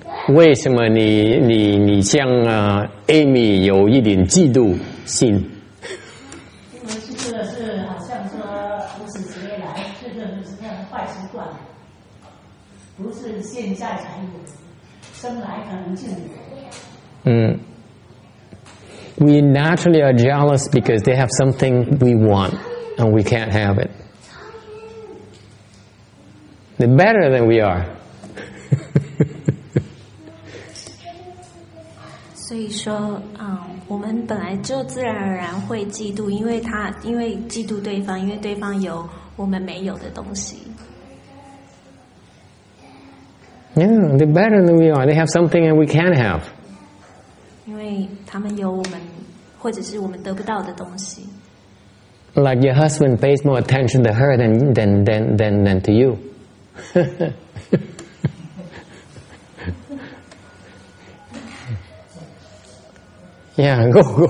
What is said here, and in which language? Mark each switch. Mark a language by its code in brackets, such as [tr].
[zh] 为什么你像啊 Amy 有一点嫉妒心？因为这个是好像说无始劫以来，这个就是像坏习惯，不是现在才有，生来可能就有。 [en] 嗯 ，We naturally are jealous because they have something we want and we can't have it. They're better than we are. [zh] 所以说，我们本来就自然而然会嫉妒，因为嫉妒对方，因为对方有我们没有的东西。 [en] Yeah, they're better than we are. They have something that we can't have. [zh] 因为他们有我们，或者是我们得不到的东西。 [en] Like your husband pays more attention to her than to you. Yeah, go.